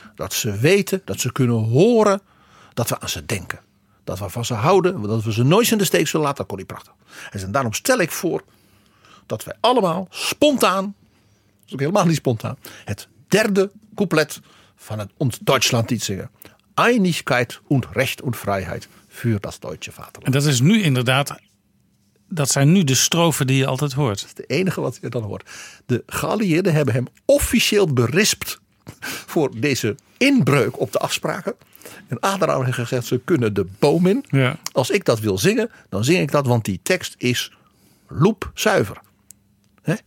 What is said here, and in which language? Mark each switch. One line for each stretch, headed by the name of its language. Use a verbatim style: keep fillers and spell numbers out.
Dutch: Dat ze weten, dat ze kunnen horen, dat we aan ze denken. Dat we van ze houden, dat we ze nooit in de steek zullen laten. Dat kon hij prachtig. En daarom stel ik voor dat wij allemaal spontaan, dat is ook helemaal niet spontaan, het derde couplet van het Ons Deutschland lied zingen.
German: Einigkeit und Recht und Freiheit für das deutsche Vaterland.
Dutch: En dat is nu inderdaad, dat zijn nu de strofen die je altijd hoort. Dat is de enige wat je dan hoort. De geallieerden hebben hem officieel berispt voor deze inbreuk op de afspraken. En Adenauer heeft gezegd, ze kunnen de boom in. Ja. Als ik dat wil zingen, dan zing ik dat, want die tekst is loepzuiver. He?